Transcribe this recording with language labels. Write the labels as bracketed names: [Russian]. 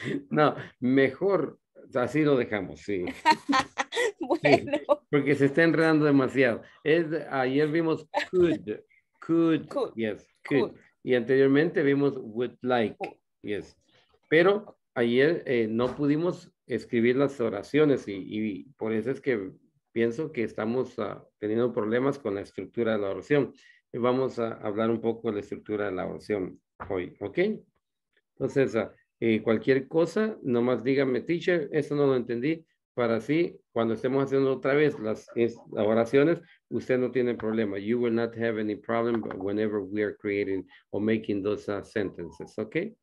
[Spanish] No, mejor así lo dejamos, sí. Bueno. Sí, porque se está enredando demasiado. Ayer vimos could. Yes, could. Y anteriormente vimos would like, could. [English] Yes. [Spanish] Pero ayer no pudimos escribir las oraciones y por eso es que pienso que estamos teniendo problemas con la estructura de la oración. Vamos a hablar un poco de la estructura de la oración hoy, ¿ok? Entonces, cualquier cosa, nomás dígame, teacher, eso no lo entendí. Para así, cuando estemos haciendo otra vez las oraciones, usted no tiene problema. [English] You will not have any problem whenever we are creating or making those sentences, ¿ok?